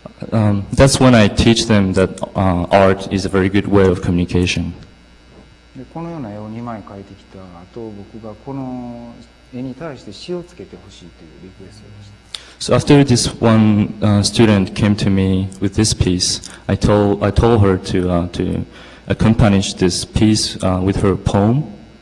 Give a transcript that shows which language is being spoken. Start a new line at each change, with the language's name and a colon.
English: That's when I teach them that art is a very good way of communication.
Japanese: このような絵を2枚描いてきた後、僕がこの絵に対して詩をつけてほしいというリクエストでした。
English: So after this one student came to me with this piece, I told her to accompany this piece with her poem.